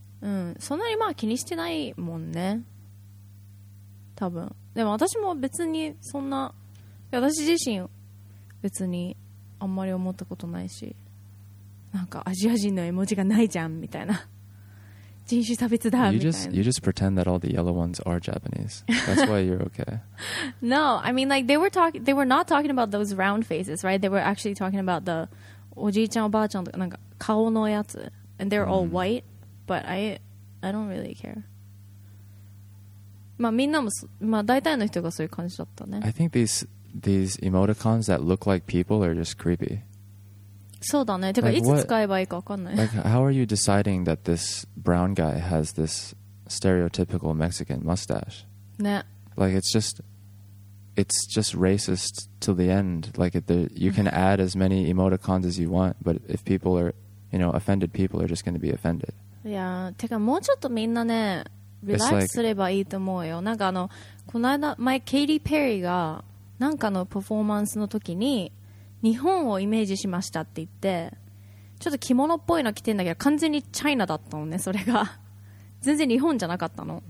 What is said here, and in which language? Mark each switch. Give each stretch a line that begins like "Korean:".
Japanese: うん、そんなにまあ気にしてないもんね多分でも私も別にそんな私自身別にあんまり思ったことないしなんかアジア人の絵文字がないじゃんみたいな人種差別だみたいな
English: you just, you just pretend that all the yellow ones are Japanese That's why you're okay No, I mean like they were, talk, they were not talking about those round faces, right? They were actually talking about the
Japanese: おじいちゃんおばあちゃんとかなんか顔のやつ
English: And they're all white、mm. But I don't really care.
Japanese: まあみんなも、まあ大体の人がそういう感じだったね。
English: I think these emoticons that look like people are just creepy.
Japanese: そうだね。てか、いつ使えばいいか分かんない。
English: Like, how are you deciding that this brown guy has this stereotypical Mexican mustache?
Japanese: ね。
English: Like, it's just racist till the end. Like, you can add as many emoticons as you want, but if people are, you know, offended people are just going to be offended.
Japanese: いやてかもうちょっとみんなねリラックスすればいいと思うよ、 like、なんかあのこの間前ケイリー・ペリーがなんかのパフォーマンスの時に日本をイメージしましたって言ってちょっと着物っぽいの着てんだけど完全にチャイナだったのねそれが全然日本じゃなかったの、